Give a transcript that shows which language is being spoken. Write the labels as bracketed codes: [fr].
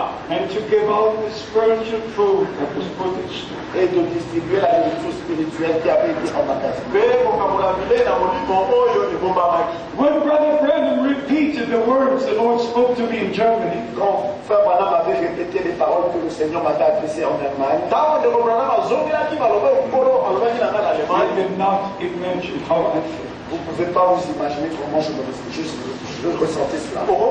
[en] And to give out the spiritual food that was put in store. [fr] Et de distribuer la nourriture spirituelle qui avait été emmagasinée. [en] When Brother Branham repeated the words the Lord spoke to me in Germany. [fr] Quand Frère Branham avait répété les paroles que le Seigneur m'avait adressées en Allemagne. [en] I did not imagine how I feel. [fr] Vous ne pouvez pas vous imaginer comment je me ressentais cela.